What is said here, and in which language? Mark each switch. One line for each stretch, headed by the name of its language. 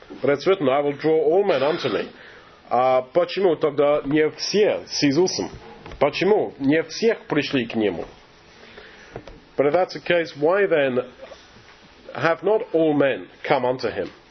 English: But it's written, I will draw all men unto me.
Russian: А почему тогда не все с Иисусом? Почему не всех пришли к Нему?
English: But if that's the case, why then have not all men come unto him?